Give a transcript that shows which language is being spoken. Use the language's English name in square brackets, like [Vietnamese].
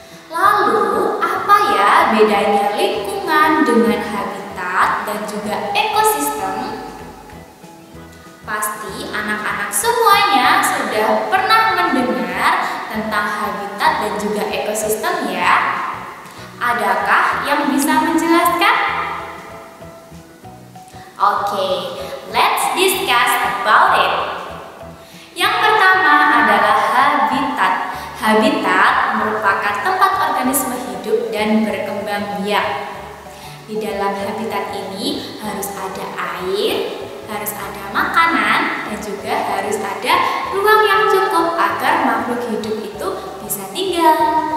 [Indonesian] Lalu, apa ya bedanya lingkungan dengan habitat dan juga ekosistem? Pasti anak-anak semuanya sudah pernah mendengar tentang habitat dan juga ekosistem ya. Adakah yang bisa menjelaskan? [English] Okay, let's discuss about it. [Indonesian] Yang pertama adalah habitat. Habitat merupakan tempat organisme hidup dan berkembang biak. Di dalam habitat ini harus ada air, harus ada makanan, dan juga harus ada ruang yang cukup agar makhluk hidup itu bisa tinggal.